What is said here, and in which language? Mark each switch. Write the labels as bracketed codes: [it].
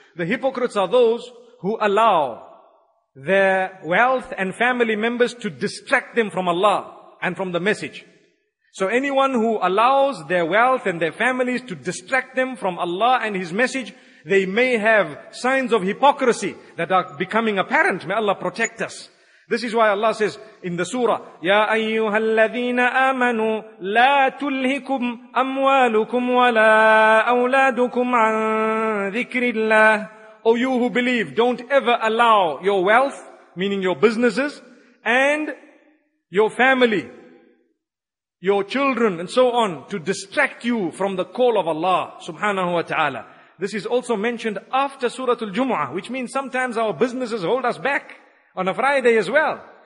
[en] The hypocrites are those who allow their wealth and family members to distract them from Allah and from the message. So anyone who allows their wealth and their families to distract them from Allah and His message, they may have signs of hypocrisy that are becoming apparent. May Allah protect us. This is why Allah says in the surah, [ar] يَا أَيُّهَا الَّذِينَ آمَنُوا لَا تُلْهِكُمْ أَمْوَالُكُمْ وَلَا أَوْلَادُكُمْ عَنْ ذِكْرِ اللَّهِ. [en] O you who believe, don't ever allow your wealth, meaning your businesses, and your family, your children, and so on, to distract you from the call of Allah subhanahu wa ta'ala. This is also mentioned after Surah Al-Jumu'ah, which means sometimes our businesses hold us back on a Friday as well.